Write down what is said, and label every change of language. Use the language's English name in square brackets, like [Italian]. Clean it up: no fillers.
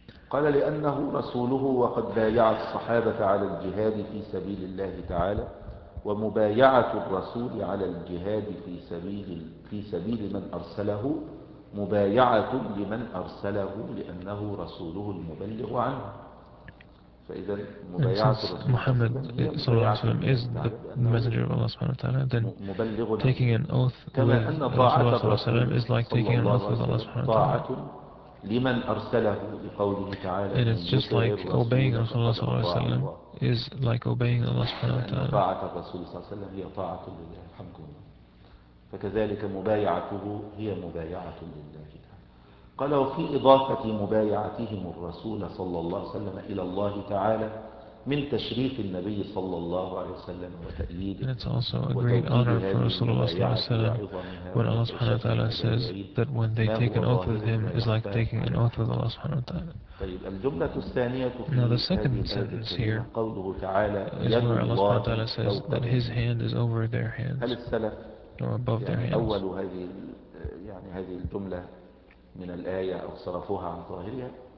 [Arabic] قال لأنه رسوله وقد بايع الصحابة على الجهاد في سبيل الله تعالى ومبايعة الرسول على الجهاد في سبيل من أرسله مبايعة لمن أرسله لأنه رسوله المبلغ عنه. فإذا مبايعة [English] محمد صلى الله عليه وسلم is the messenger of Allah سبحانه وتعالى, then taking an oath with Rasulullah صلى الله عليه وسلم is like taking an oath with Allah سبحانه وتعالى. [Arabic] لمن أرسله بقوله تعالى. [English] And it's just like obeying Rasulullah صلى الله عليه وسلم is like obeying Allah سبحانه وتعالى. [Arabic] طاعة الرسول صلى الله عليه وسلم هي طاعة لله. الحمد لله. فكذلك مبايعته هي مبايعة لله تعالى. قال وفي إضافة مبايعتهم الرسول صلى الله عليه وسلم إلى الله تعالى من تشريف النبي صلى الله عليه وسلم وتأييده. [English] And it's also a great honor for Rasulullah صلى الله عليه وسلم when Allah سبحانه وتعالى says that when they take an oath with him is like taking an oath with Allah سبحانه وتعالى. [Arabic] طيب الجملة الثانية. [English] Now the second sentence here [Arabic] قوله تعالى [English] is where Allah سبحانه وتعالى says that his hand is over their hands. [Arabic] هل السلف [English] or above their hands. [Arabic] أول هذه يعني هذه الجملة من الآية أو صرفوها عن ظاهرها.